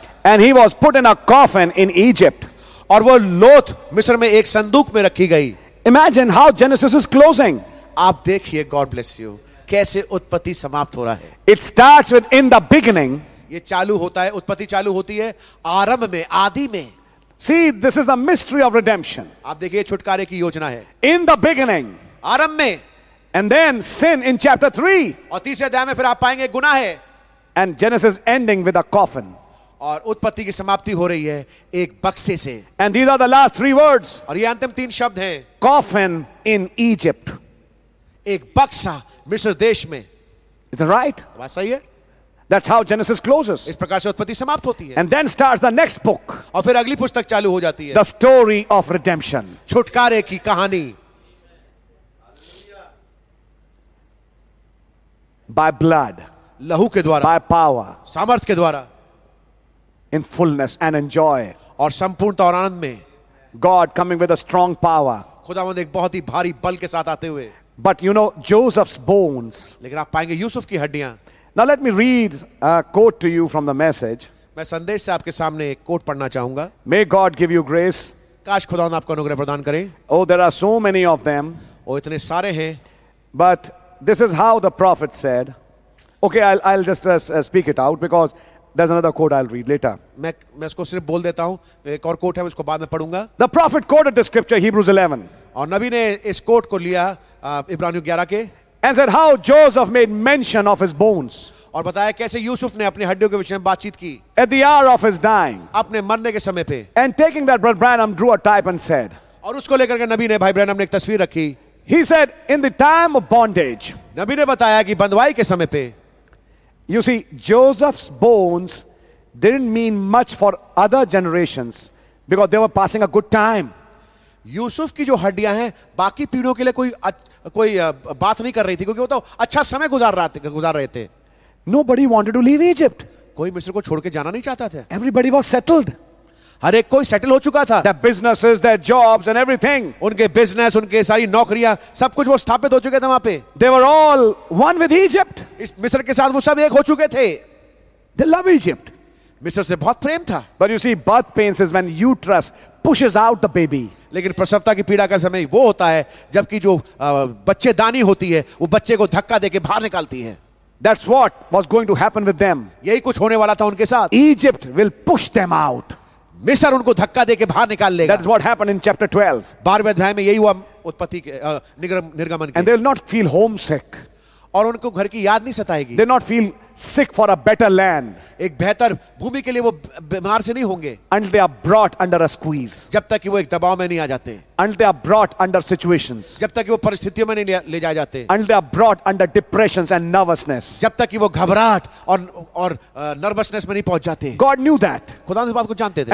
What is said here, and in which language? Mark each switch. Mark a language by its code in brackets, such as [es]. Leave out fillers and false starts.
[en] and he was put in a coffin in Egypt [hi] और वो लोथ मिस्र में एक संदूक में रखी गई [en] imagine how Genesis is closing [hi] आप देखिए [en] God bless you [hi] कैसे उत्पत्ति समाप्त हो रहा है [en] it starts with in the beginning [hi] ये चालू होता है उत्पत्ति चालू होती है आरंभ में आदि में [en] See, this is a mystery of redemption. [hi] आप देखिए छुटकारे की योजना है. [en] In the beginning, [hi] आरंभ में, [en] and then sin in chapter 3. [hi] और तीसरे अध्याय में फिर आप पाएंगे गुनाह है. [en] And Genesis ending with a coffin. [hi] और उत्पत्ति की समाप्ति हो रही है एक बक्से से. [en] And these are the last three words. [hi] और ये अंतिम तीन शब्द हैं. [en] Coffin in Egypt. [hi] एक बक्सा मिस्र देश में. [en] Is that right? [hi] बात सही है. [en] That's how Genesis closes. [hi] इस प्रकार से उत्पत्ति समाप्त होती है. [en] And then starts the next book. [hi] और फिर अगली पुस्तक चालू हो जाती है. [en] The story of redemption. [hi] छुटकारे की कहानी. [en] By blood. [hi] लहू के द्वारा. [en] By power. [hi] सामर्थ के द्वारा. [en] In fullness and enjoy. [hi] और संपूर्णता और आनंद में. [en] God coming with a strong power. [hi] खुदावंद एक बहुत ही भारी बल के साथ आते हुए. [en] But you know Joseph's bones. [hi] लेकिन आप पाएंगे यूसुफ की हड्डियां. [en] Now let me read a quote to you from the message. [hi] मैं संदेश से आपके सामने एक कोट पढ़ना चाहूंगा. [en] May God give you grace. [hi] काश खुदावंद आपको अनुग्रह प्रदान करे. [en] Oh, there are so many of them. [hi] Oh, इतने सारे हैं. [en] But this is how the prophet said. Okay, I'll just speak it out because there's another quote I'll read later. [hi] मैं इसको सिर्फ बोल देता हूँ. एक और कोट है, उसको बाद में पढ़ूंगा. [en] The prophet quoted the scripture Hebrews 11. [hi] और नबी ने इस कोट को लिया इब्रानियों 11 के. [en] And said how Joseph made mention of his bones. [hi] और बताया कैसे यूसुफ ने अपने हड्डियों के विषय में बातचीत की. [en] At the hour of his dying. [hi] अपने मरने के समय पे. [en] And taking that brother Branham drew a type and said. [hi] और उसको लेकर के नबी ने भाई ब्रैनम ने एक तस्वीर रखी. [en] He said in the time of bondage. [hi] नबी ने बताया कि बंधुआई के समय पे. [en] You see Joseph's bones didn't mean much for other generations because they were passing a good time. [hi] Yusuf की जो हड्डियां हैं बाकी पीढ़ियों के लिए कोई बात नहीं कर रही थी क्योंकि वो तो अच्छा समय गुजार रहे थे [en] Nobody wanted to leave Egypt. [hi] कोई मिस्र को छोड़ के जाना नहीं चाहता था. [en] Everybody was settled. [hi] हर एक कोई सेटल हो चुका था. [en] Their businesses, their jobs and everything. [hi] उनके बिजनेस, उनके सारी नौकरियां, सब कुछ वो स्थापित हो चुके थे वहां पे. [en] They were all one with Egypt. [hi] इस मिस्र के साथ वो सब एक हो चुके थे. [en] They love Egypt. [hi] मिस्र से बहुत प्रेम था. [en] But you see, birth pains is when uterus pushes out the baby. [hi] लेकिन प्रसवता की पीड़ा का समय वो होता है जबकि जो बच्चे दानी होती है वो बच्चे को धक्का देके बाहर निकालती है. [en] That's what was going to happen with them. [hi] यही कुछ होने वाला था उनके साथ. [en] Egypt will push them out. [hi] मिस्र उनको धक्का देके बाहर निकाल लेगा. [en] That's what happened in chapter 12. [hi] 12वें अध्याय में यही हुआ उत्पत्ति के निर्गमन के. [en] And they'll not feel homesick. [hi] और उनको घर की याद नहीं सताएगी. [en] They not feel sick for a better land. [hi] एक बेहतर भूमि के लिए वो बीमार से नहीं होंगे. [en] Until they are brought under a squeeze. [hi] जब तक कि वो एक दबाव में नहीं आ जाते. [en] Until they are brought under situations. [hi] जब तक कि वो परिस्थितियों में नहीं ले जाए जाते. [en] Until they are brought under depressions and nervousness. [hi] जब तक कि वो घबराहट और नर्वसनेस में नहीं पहुंच जाते. [en] God knew that. [hi] खुदा ने इस बात को जानते थे.